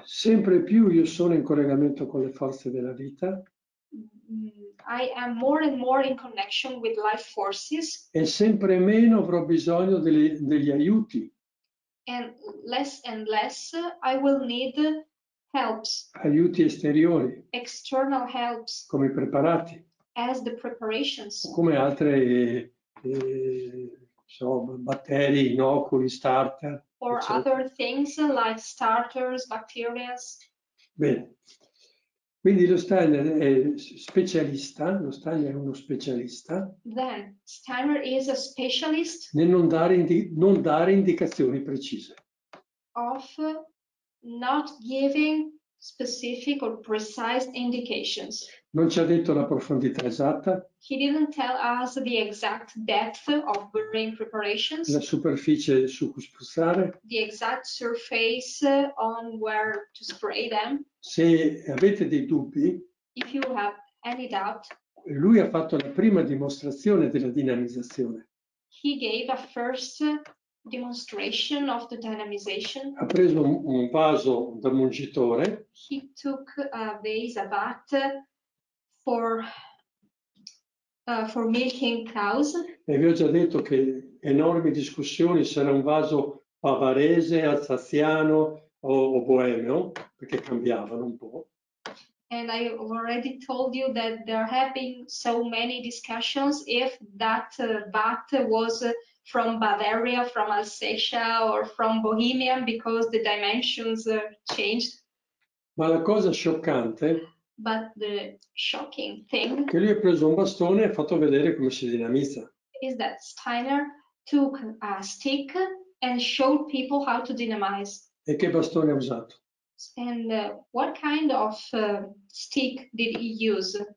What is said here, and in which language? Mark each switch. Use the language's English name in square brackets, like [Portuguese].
[Italian] Sempre più io sono in collegamento con le forze della vita. [English] I am more and more in connection with life forces. [Italian] E sempre meno avrò bisogno degli aiuti. [English] And less I will need helps. [Italian] Aiuti esteriori. [English] External helps. [Italian] Come i preparati. [English] As the preparations. [Italian] O come altre batteri, inoculi, starter. [English] Or [Italian] eccetera. [English] Other things like starters, bacterias. [Italian] Bene. Quindi lo Steiner è specialista, lo Steiner è uno specialista. [English] Then Steiner is a specialist. [Italian] Nel non dare indicazioni precise. [English] Of not giving specific or precise indications. [Italian] Non ci ha detto la profondità esatta. [English] He didn't tell us the exact depth of burying preparations. [Italian] La superficie su cui spruzzare. [English] The exact surface on where to spray them. [Italian] Se avete dei dubbi, [English] if you have any doubt, [Italian] lui ha fatto la prima dimostrazione della dinamizzazione. [English] He gave a first demonstration of the dynamization. [Italian] Ha preso un vaso da mungitore. [English] He took a vase, a vat for milking cows. [Italian] E vi ho già detto che enormi discussioni sarà un vaso bavarese, alsaziano o boemio, perché cambiavano un po'. [English] And I already told you that there have been so many discussions if that vat was from Bavaria, from Alsatia or from Bohemia, because the dimensions changed. [Italian] Ma la cosa scioccante, [English] but the shocking thing, [Italian] che lui ha preso un bastone e ha fatto vedere come si dinamizza, [English] is that Steiner took a stick and showed people how to dynamize. [Italian] E che bastone ha usato? [English] And what kind of stick did he use?